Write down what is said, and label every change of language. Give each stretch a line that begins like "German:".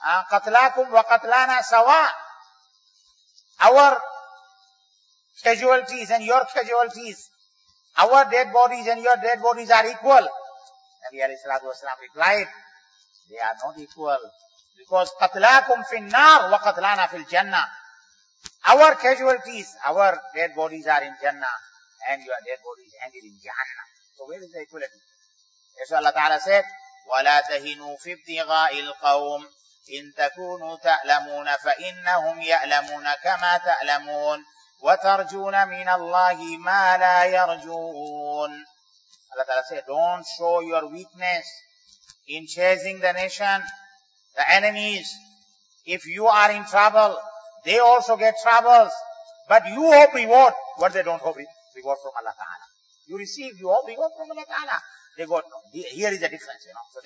Arabic: Qatlakum wa qatlana sawa.
English: Our casualties and your casualties, our dead bodies and your dead bodies are equal. Nabi alayhi salatu wasalam replied, they are not equal. Because
Arabic: qatlakum fin nar wa qatlana fil jannah.
English: Our casualties, our dead bodies are in Jannah and your dead bodies ended in Jahannam. So where is the equality? That's why Allah Ta'ala said,
Arabic: وَلَا تَهِنُوا فِي ابْتِغَاءِ الْقَوْمِ إِن تَكُونُوا تَأْلَمُونَ فَإِنَّهُمْ يَأْلَمُونَ كَمَا تَأْلَمُونَ وَتَرْجُونَ مِنَ اللَّهِ مَا لَا يَرْجُونَ.
English: Allah Ta'ala said, don't show your weakness in chasing the nation, the enemies. If you are in trouble, they also get troubles. But you hope reward what they don't hope reward from Allah Ta'ala. You receive, you hope reward from Allah Ta'ala. They got no. Here is the difference, you know.